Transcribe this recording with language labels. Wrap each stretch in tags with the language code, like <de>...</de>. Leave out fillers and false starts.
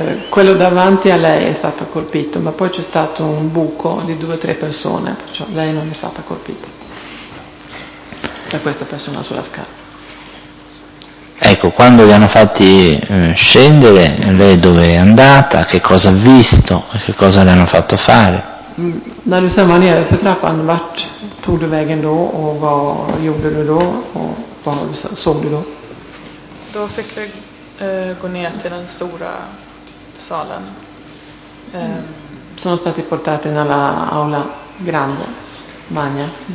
<it>Quello davanti a lei è stato colpito, ma poi c'è stato un buco di due o tre persone, perciò lei non è stata colpita da questa persona sulla scala. Ecco, quando li hanno fatti scendere, lei dove è andata, che cosa ha visto, che cosa le hanno fatto fare?</it> <sv>När du sen var nere för trappan, vart tog du vägen då, och vad gjorde du då, och vad såg du då? Då fick vi gå ner till den stora salen.</sv> <it>Sono stati portati nella aula grande, magna.</it>